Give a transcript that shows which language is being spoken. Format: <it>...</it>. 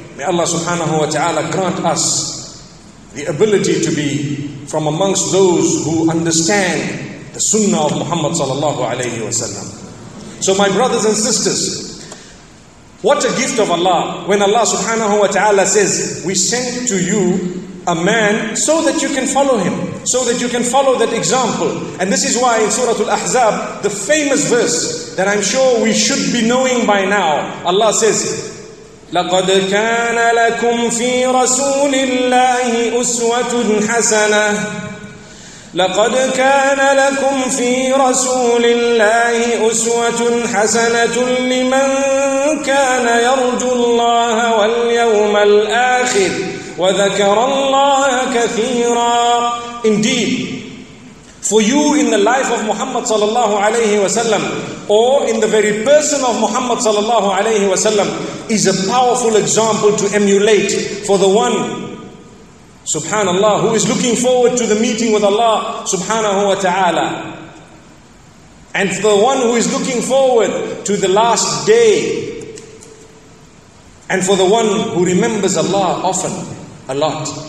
<en>May Allah subhanahu wa ta'ala grant us the ability to be from amongst those who understand the sunnah of Muhammad sallallahu alayhi wa sallam. So my brothers and sisters, what a gift of Allah when Allah subhanahu wa ta'ala says, we sent to you a man so that you can follow him, so that you can follow that example. And this is why in Surah Al-Ahzab, the famous verse that I'm sure we should be knowing by now, Allah says,</en> <ar>لَقَدْ كَانَ لَكُمْ فِي رَسُولِ اللَّهِ أُسْوَةٌ حَسَنَةٌ لَقَدْ كَانَ لَكُمْ فِي رَسُولِ اللَّهِ أُسْوَةٌ حَسَنَةٌ لِمَنْ كَانَ يَرْجُو اللَّهَ وَالْيَوْمَ الْآخِرِ وَذَكَرَ اللَّهَ كَثِيرًا.</ar> <en>Indeed, for you in the life of Muhammad sallallahu alayhi wa sallam, or in the very person of Muhammad sallallahu alayhi wa sallam, is a powerful example to emulate for the one, subhanallah, who is looking forward to the meeting with Allah subhanahu wa ta'ala, and for the one who is looking forward to the last day, and for the one who remembers Allah often, a lot.</en>